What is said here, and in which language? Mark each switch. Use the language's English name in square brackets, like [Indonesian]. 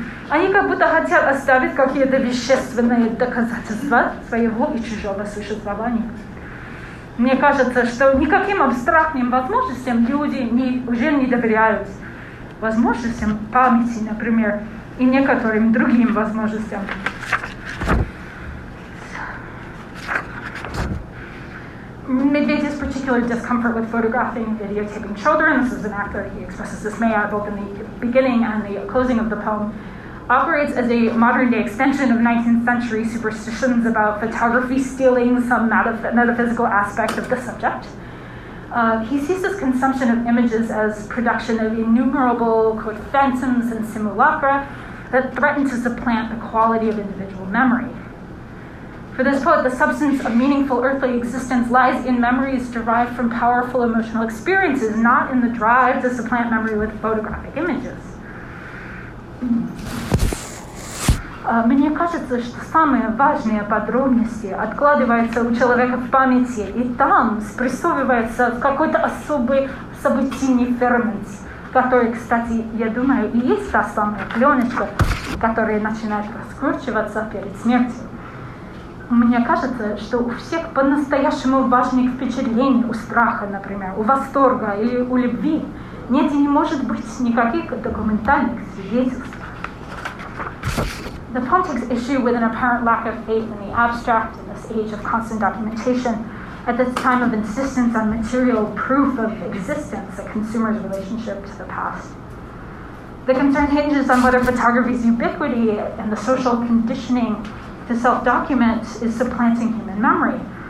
[Russian] Они как будто хотят оставить какие-то вещественные доказательства своего и чужого существования. Мне кажется, что никаким абстрактным возможностям люди уже не доверяют. Возможностям памяти, например, и некоторым другим возможностям. [English] Medvedev's particular discomfort with photographing and videotaping children, this is an act that he expresses dismay at both in the beginning and the closing of the poem, operates as a modern day extension of 19th century superstitions about photography stealing some metaphysical aspect of the subject. He sees this consumption of images as production of innumerable, quote, phantoms and simulacra that threaten to supplant the quality of individual memory. For this poet, the substance of meaningful earthly existence lies in memories derived from powerful emotional experiences, not in the drive to supplant memory with photographic images. [Russian] Мне кажется, что самые важные подробности откладываются у человека в памяти, и там спрессовывается какой-то особый событийный фермент, которые, кстати, я думаю, и есть та самая пленочка, которая начинает раскручиваться перед смертью. Мне кажется, что у всех по-настоящему важных впечатлений, у страха, например, у восторга или у любви, нет и не может быть никаких документальных свидетельств. [English] The Pontiff's issue with an apparent lack of faith in the abstract in this age of constant documentation, at this time of insistence on material proof of existence, a consumer's relationship to the past. The concern hinges on whether photography's ubiquity and the social conditioning to self-document is supplanting human memory.